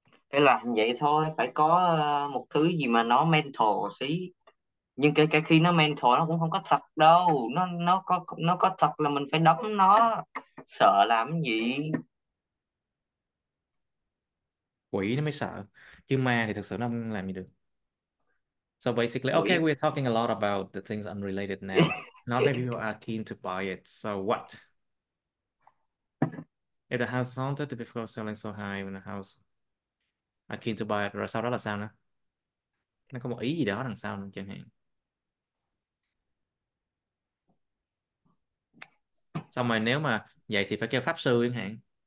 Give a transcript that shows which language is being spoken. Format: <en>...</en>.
<vi>là vậy thôi, phải có một thứ gì mà nó mental xí. nhưng cái khi nó mentor nó cũng không có thật đâu, nó có thật là mình phải đóng nó, sợ làm gì. Quỷ nó mới sợ. Chứ ma thì thật sự nó không làm gì được.</vi> <en>So basically, okay,</en> <vi>Quỷ.</vi> <en>we're talking a lot about the things unrelated now. Not many people are keen to buy it. So what? If the house haunted, the people selling so high in the house are keen to buy it.</en> <vi>Rồi sau đó là sao nữa? Nó có một ý gì đó đằng sau nữa chẳng hạn. Xong rồi nếu mà vậy thì phải kêu pháp sư chẳng hạn.</vi>